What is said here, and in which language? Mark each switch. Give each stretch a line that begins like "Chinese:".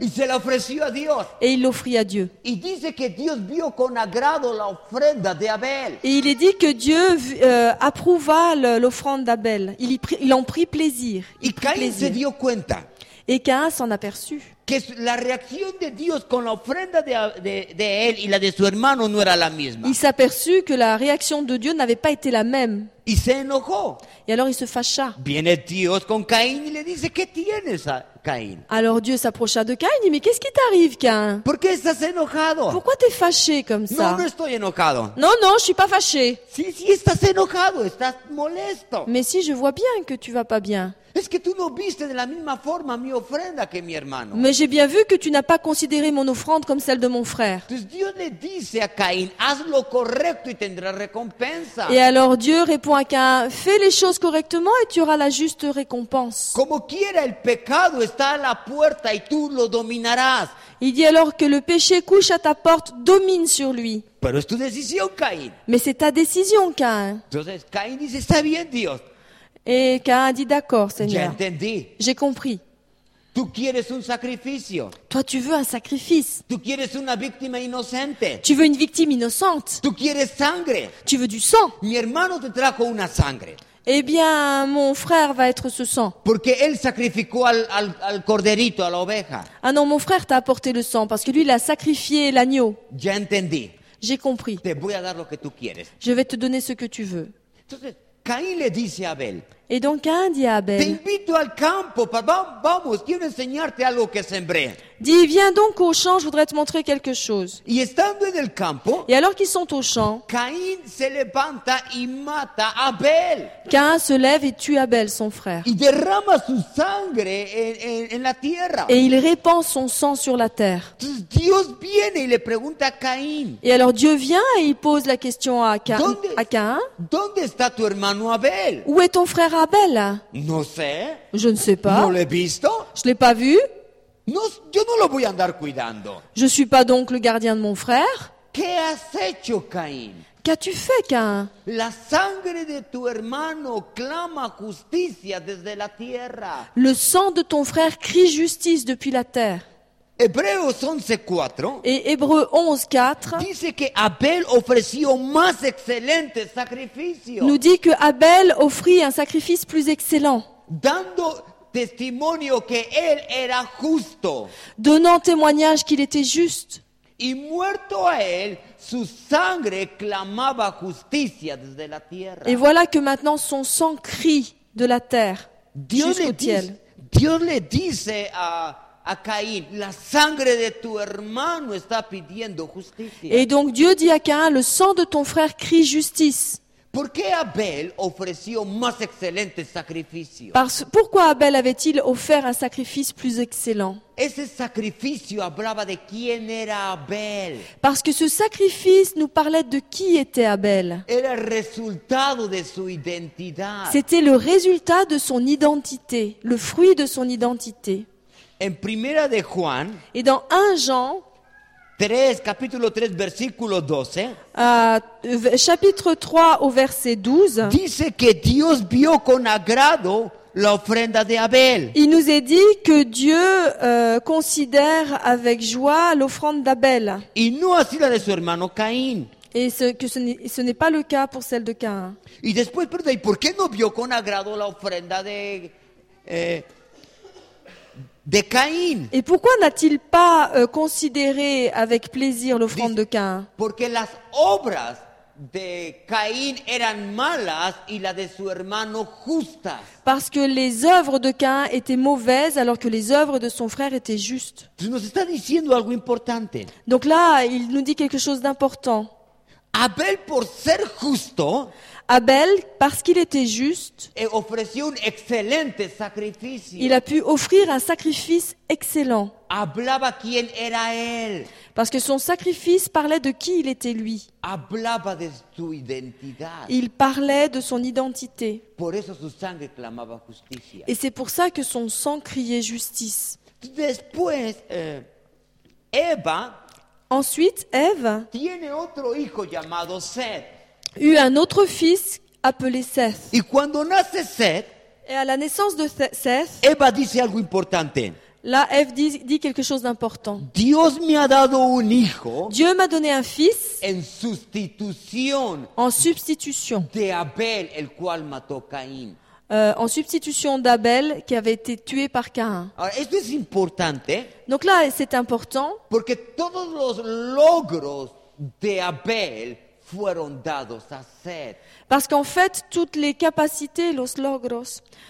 Spanish: Y se la ofreció a Dios.
French: Et il l'offrit à Dieu.
Spanish: Y dice que Dios vio con agrado la ofrenda de Abel.
French: Et il est dit que Dieu approuva l'offrande d'Abel. Il en prit plaisir. Et Caïn s'en aperçut. Que la réaction de
Spanish: Dios con la ofrenda de él y la de su hermano no era la misma.
French: Il s'aperçut que la réaction de Dieu n'avait pas été la même.
Spanish: Y se enojó.
French: Et alors il se fâcha.
Spanish: Viene Dios con Caín y le dice, ¿qué tienes, Caín?
French: Alors Dieu s'approcha de Caïn et dit, mais qu'est-ce qui t'arrive, Caïn?
Spanish: ¿Por qué estás enojado?
French: Pourquoi t'es fâché comme ça?
Spanish: No, no estoy enojado.
French: Non, je suis pas fâché.
Spanish: Si, si estás enojado, estás molesto.
French: Mais si, je vois bien que tu vas pas bien.
Spanish: Es que tú no viste de la misma forma mi ofrenda que mi hermano.
French: Mais j'ai bien vu que tu n'as pas considéré mon offrande comme celle de mon frère.
Spanish: Entonces Dios le dice a Caín, haz lo correcto y tendrás recompensa.
French: Et alors Dieu répond à Caïn, fais les choses correctement et tu auras la juste récompense.
Spanish: Como quiera el pecado está a la puerta y tú lo dominarás.
French: Il dit alors que le péché couche à ta porte, domine sur lui.
Spanish: Pero es tu decisión, Caín.
French: Mais c'est ta décision, Caïn.
Spanish: Entonces Caín dice, está bien, Dios.
French: Et Caïn dit, d'accord, Seigneur. J'ai entendu. J'ai compris.
Spanish: Tu quieres un sacrificio.
French: Toi, tu veux un sacrifice.
Spanish: Tu quieres una víctima inocente.
French: Tu veux une victime innocente.
Spanish: Tu quieres sangre.
French: Tu veux du sang.
Spanish: Mi hermano te trajo una sangre.
French: Eh bien, mon frère va être ce sang.
Spanish: Porque él sacrificó al corderito, a la oveja.
French: Ah non, mon frère t'a apporté le sang parce que lui, il a sacrifié l'agneau. J'ai entendu. J'ai compris.
Spanish: Te voy a dar lo que tú quieres.
French: Je vais te donner ce que tu veux.
Spanish: Entonces, Caín le dice a Abel.
French: Et donc Caïn dit à Abel.
Spanish: Te invito al campo, vamos, quiero enseñarte algo que sembré.
French: Dis, viens donc au champ, je voudrais te montrer quelque chose.
Spanish: Y estando en el campo.
French: Et alors qu'ils sont au champ.
Spanish: Caín se levanta y mata a Abel.
French: Caïn se lève et tue Abel, son frère.
Spanish: Y derrama su sangre en la tierra.
French: Et il répand son sang sur la terre.
Spanish: Entonces, Dios viene y le pregunta a Caín.
French: Et alors Dieu vient et il pose la question à Caïn.
Spanish: ¿Dónde está tu hermano Abel?
French: Où est ton frère Abel?
Spanish: No sé.
French: Je ne sais pas.
Spanish: No lo he visto.
French: Je l'ai pas vu.
Spanish: No, yo no lo voy a andar cuidando.
French: Je suis pas donc le gardien de mon frère.
Spanish: ¿Qué has hecho, Caín?
French: Qu'as-tu fait, Caïn?
Spanish: La sangre de tu hermano clama justicia desde la tierra.
French: Le sang de ton frère crie justice depuis la terre. Hébreux 11:4. Et Hébreux 11:4.
Spanish: Dice que Abel ofreció más excelente sacrificio.
French: Nous dit que Abel offrit un sacrifice plus excellent.
Spanish: Dando testimonio que él era justo.
French: Donnant témoignage qu'il était juste.
Spanish: Y muerto a él, su sangre clamaba justicia desde la tierra.
French: Et voilà que maintenant son sang crie de la terre.
Spanish: Dios le dice a Caín, la sangre de tu hermano está pidiendo justicia.
French: Et donc Dieu dit à Caïn, le sang de ton frère crie justice.
Spanish: ¿Por qué Abel ofreció más excelente sacrificio?
French: Pourquoi Abel avait-il offert un sacrifice plus excellent?
Spanish: Ese sacrificio hablaba de quién era Abel.
French: Parce que ce sacrifice nous parlait de qui était Abel.
Spanish: Era el resultado de su identidad.
French: C'était le résultat de son identité, le fruit de son identité.
Spanish: En primera de Juan.
French: Et dans 1 Jean.
Spanish: 3, capítulo 3, versículo 12.
French: Chapitre 3 au verset 12.
Spanish: Dice que Dios vio con agrado la ofrenda de Abel.
French: Il nous est dit que Dieu considère avec joie l'offrande d'Abel.
Spanish: Y no así la de su hermano Caín.
French: Et ce n'est pas le cas pour celle de Caïn.
Spanish: Y después pregunta, ¿y por qué no vio con agrado la ofrenda de de Caïn?
French: Et pourquoi n'a-t-il pas considéré avec plaisir l'offrande de Caïn?
Spanish: Porque las obras de Caïn eran malas y la de su hermano justas.
French: Parce que les œuvres de Caïn étaient mauvaises alors que les œuvres de son frère étaient justes.
Spanish: Nos está diciendo algo importante.
French: Donc là, il nous dit quelque chose d'important.
Spanish: Abel, por ser justo,
French: Abel, parce qu'il était juste,
Spanish: et ofreció un excelente sacrificio,
French: il a pu offrir un sacrifice excellent.
Spanish: Hablaba quien era él.
French: Parce que son sacrifice parlait de qui il était lui.
Spanish: Hablaba de su identidad.
French: Il parlait de son identité.
Spanish: Por eso su sangre clamaba justicia.
French: Et c'est pour ça que son sang criait justice.
Spanish: Después, Eva,
French: ensuite, Ève
Spanish: tiene otro hijo llamado Seth.
French: Eut un autre fils appelé Seth.
Spanish: Y cuando nace Seth,
French: et à la naissance de Seth,
Spanish: Eva dice algo importante.
French: Là, Ève dit quelque chose d'important.
Spanish: Dios me ha dado un hijo,
French: Dieu m'a donné un fils
Spanish: en sustitución,
French: en substitution
Spanish: de Abel, el cual mató Caín.
French: En substitution d'Abel qui avait été tué par Caïn.
Spanish: Esto es importante,
French: donc là, c'est important
Spanish: porque todos los logros de Abel fueron dados a Seth.
French: Parce qu'en fait, toutes les capacités,
Spanish: los logros...